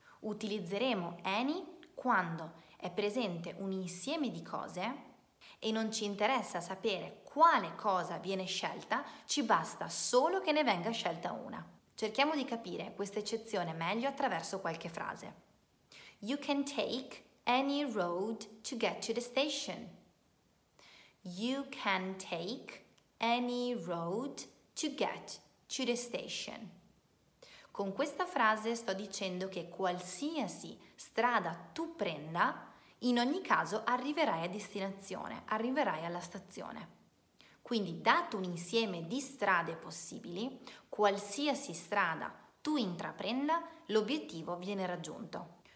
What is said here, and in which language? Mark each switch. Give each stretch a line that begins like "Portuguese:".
Italian: Utilizzeremo any quando è presente un insieme di cose e non ci interessa sapere quale cosa viene scelta, ci basta solo che ne venga scelta una. Cerchiamo di capire questa eccezione meglio attraverso qualche frase.
English: You can take any road to get to the station. You can take any road to get to the station.
Italian: Con questa frase sto dicendo che qualsiasi strada tu prenda, in ogni caso arriverai a destinazione, arriverai alla stazione. Quindi, dato un insieme di strade possibili, qualsiasi strada tu intraprenda, l'obiettivo viene raggiunto.